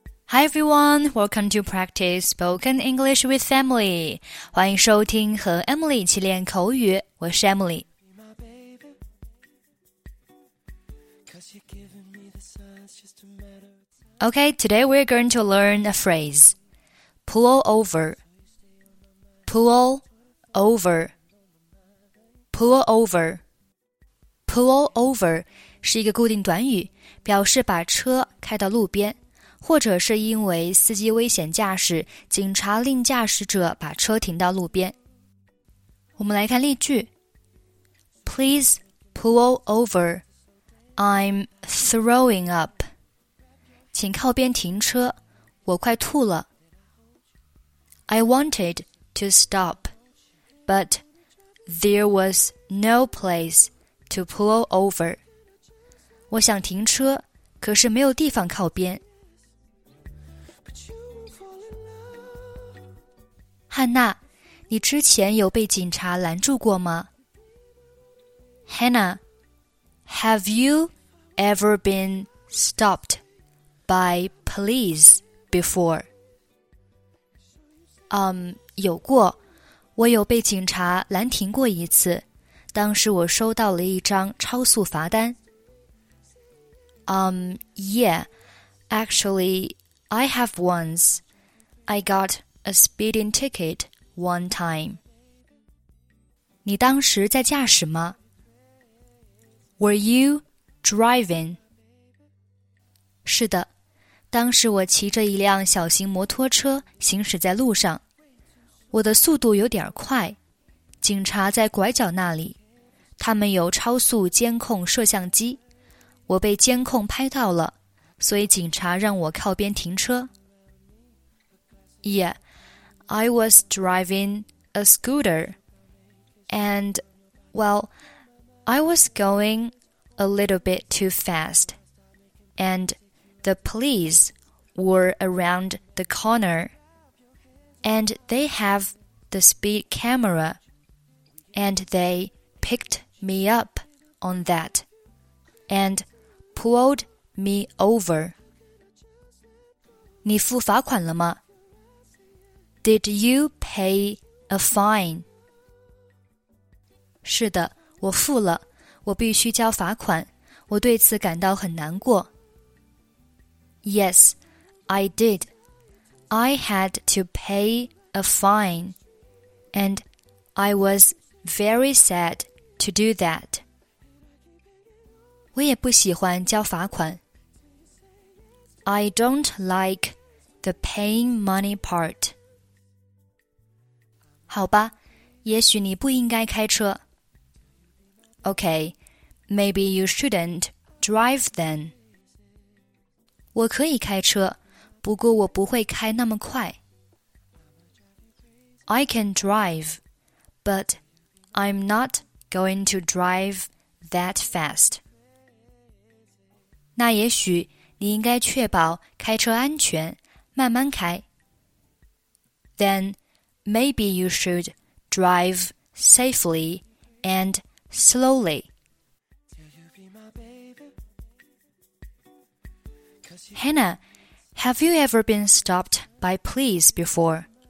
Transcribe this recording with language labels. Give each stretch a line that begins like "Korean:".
English: Hi everyone, welcome to practice spoken English with Emily.
Chinese: 欢迎收听和 Emily 一起练口语，我是 Emily。
English: Okay, today we're going to learn a phrase. Pull over. Pull over. Pull over.
Chinese: Pull over 是一个固定短语，表示把车开到路边。或者是因为司机危险驾驶，警察令驾驶者把车停到路边。我们来看例句。
English: Please pull over. I'm throwing up.
Chinese: 请靠边停车，我快吐了。
English: I wanted to stop, but there was no place to pull over.
Chinese: 我想停车，可是没有地方靠边。汉娜，你之前有被警察拦住过吗？
English: Hannah, have you ever been stopped by police before?
Chinese: 有过，我有被警察拦停过一次，当时我收到了一张超速罚单。
English: Yeah, actually, I have once. I got a speeding ticket one time.
Chinese: 你当时在驾驶吗？
English: Were you driving?
Chinese: 是的，当时我骑着一辆小型摩托车行驶在路上。我的速度有点快，警察在拐角那里，他们有超速监控摄像机，我被监控拍到了，所以警察让我靠边停车。
English: Yeah. I was driving a scooter, and, well, I was going a little bit too fast, and the police were around the corner, and they have the speed camera, and they picked me up on that, and pulled me over.
Chinese: 你付罚款了吗？
English: Did you pay a fine?
Chinese: 是的，我付了，我必须交罚款，我对此感到很难过。
English: Yes, I did. I had to pay a fine, and I was very sad to do that.
Chinese: 我也不喜欢交罚款。
English: I don't like the paying money part.
Chinese: 好吧，也许你不应该开车。
English: Okay, maybe you shouldn't drive then.
Chinese: 我可以开车，不过我不会开那么快。
English: I can drive, but I'm not going to drive that fast.
Chinese: 那也许你应该确保开车安全，慢慢开。
English: Then,Maybe you should drive safely and slowly. Hannah, have you ever been stopped by police before?